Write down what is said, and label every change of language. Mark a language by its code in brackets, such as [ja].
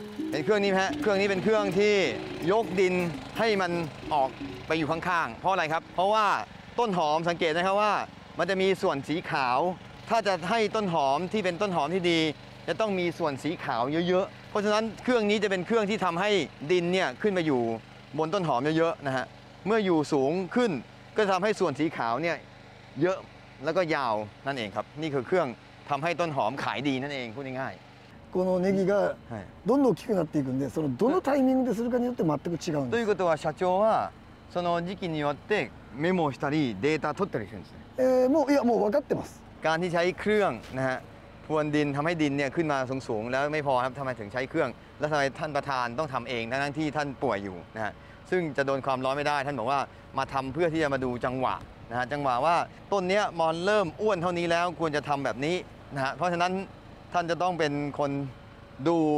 [th] เป็นเครื่องนี้ฮะเครื่องนี้เป็นเครื่องที่ยกดินให้มันออกไปอยู่ข้างๆเพราะอะไรครับเพราะว่าต้นหอมสังเกตนะครับว่ามันจะมีส่วนสีขาวถ้าจะให้ต้นหอมที่เป็นต้นหอมที่ดีจะต้องมีส่วนสีขาวเยอะๆเพราะฉะนั้นเครื่องนี้จะเป็นเครื่องที่ทำให้ดินเนี่ยขึ้นมาอยู่บนต้นหอมเยอะๆนะฮะเมื่ออยู่สูงขึ้นก็ทำให้ส่วนสีขาวเนี่ยเยอะแล้วก็ยาวนั่นเองครับนี่คือเครื่อง ทำให้ต้นหอมขายดีนั่นเองพูดง่าย [ja] ๆこのネギがどんどん大きくなっていくんでそのどのタイミングでするかによって全く違うんですということは社長はその時期によってメモしたりデータ取ったりするんですねもういやもう分かってます [th] การที่ใช้เครื่องนะฮะพรวนดินทำให้ดินเนี่ยขึ้นมาสูงๆแล้วไม่พอครับทำไมถึงใช้เครื่องแล้วทำไมท่านประธานต้องทำเองทั้งที่ท่านป่วยอยู่นะฮะซึ่งจะโดนความร้อนไม่ได้ท่านบอกว่ามาทำเพื่อที่จะมาดูจังหวะนะฮะจังหวะว่าต้นเนี้ยมอนเริ่มอ้วนเท่านี้แล้วควรจะทำแบบนี้นะฮะเพราะฉะนั้นท่านจะต้องเป็นคนดู